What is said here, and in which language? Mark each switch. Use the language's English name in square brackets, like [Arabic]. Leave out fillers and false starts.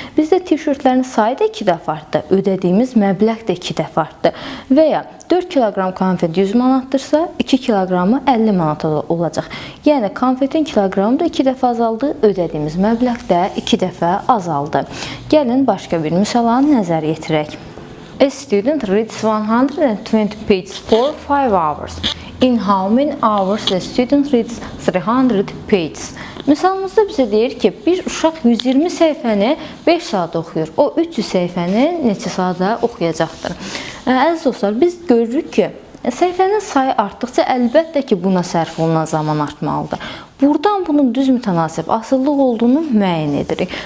[Azerbaijani] Bizdə tişörtlərin sayı da 2 dəfə artdı, ödədiyimiz məbləq də 2 dəfə artdı. Və ya 4 kilogram konfet 100 manatdırsa, 2 kilogramı 50 manata olacaq. Yəni, konfetin kilogramı da 2 dəfə azaldı, ödədiyimiz məbləq də 2 dəfə azaldı. Gəlin, başqa bir misala nəzər yetirək. [English] A student reads 120 pages for 5 hours. In how many hours the student reads 300 pages? [Azerbaijani] Misalımızda bizə deyir ki, bir uşaq 120 səhifəni 5 saat oxuyur. O 300 səhifəni neçə saatda oxuyacaqdır? Əziz dostlar, biz görürük ki, səhifənin sayı artdıqca əlbəttə ki, buna sərf olunan zaman artmalıdır. Buradan bunun düz mütənasib asılılıq olduğunu müəyyən edirik.